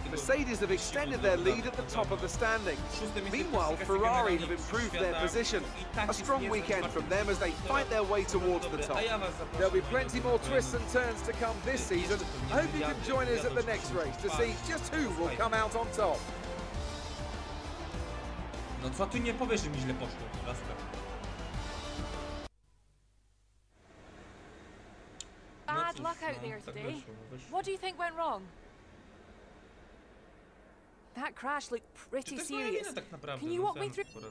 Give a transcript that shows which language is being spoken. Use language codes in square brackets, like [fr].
[en] Mercedes have extended their lead at the top of the standings. Meanwhile, Ferrari have improved their position. A strong weekend from them as they fight their way towards the top. There'll be plenty more twists and turns to come this season. I hope you can join us at the next race to see just who will come out on top. [pl] No co ty nie powiesz, że mi źle poszło? [en] Bad luck out there today. What do you think went wrong? That crash looked pretty serious. Can you walk me through?